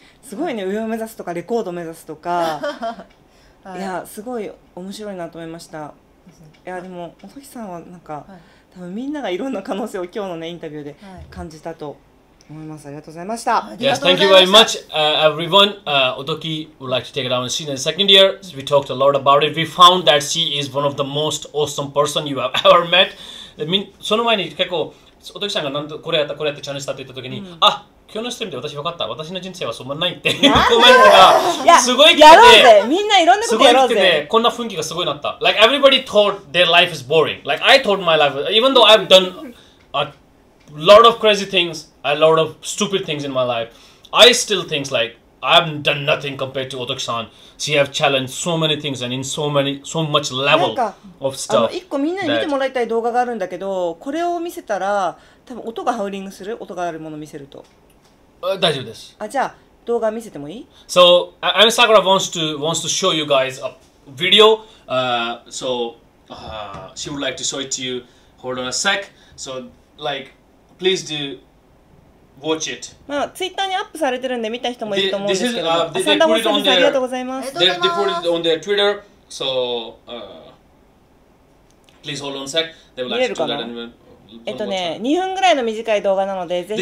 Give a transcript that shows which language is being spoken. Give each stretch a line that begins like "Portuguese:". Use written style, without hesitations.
Japanese: うん、すごいね、上を目指すとかレコード目指すとか、はい、いや、すごい面白いなと思いました。いや、でも、おそひさんはなんか、はい、多分みんながいろんな可能性を今日の、ね、インタビューで感じたと思います、はい、ありがとうございました。
English: Yes, thank you very much, everyone. Otoki would like to take it down. She's in the second year. We talked a lot about it. We found that she is one of the most awesome person you have ever met. I mean,
Japanese: その前に結構おときさんがなんとこれやったこれやってチャレンジしたって言ったときに、うん、あ、今日のストリームで私分かった、私の人生はそんなないってコメントがすごい来てて、みんないろんなことやろうぜ、すごい来てて、こんな雰囲気がすごいなった。
English: Like everybody thought their life is boring. Like I thought my life, even though I've done a lot of crazy things, a lot of stupid things in my life, I still think like I've done nothing compared to Otoki-san. She has challenged so many things and in so much level of stuff.
Japanese: なんか、あの、1個みんなに見てもらいたい動画があるんだけど、これを見せたら、多分音がハウリングする？音があるものを見せると。大丈夫です。あ、じゃあ、動画見せてもいい？
English: So, Emi Sakura wants to show you guys a video. She would like to show it to you. Hold on a sec. So, like, please do... Watch it.
Japanese: まあ、ツイッターにアップされてるんで見た人もいると思うんですけど、サンダホッサンさん、ありがとうございます。
English: They put it on their Twitter. So, please hold on a sec. They would like to do that anyway.
Japanese: 2分ぐらいの短い動画なので、ぜひ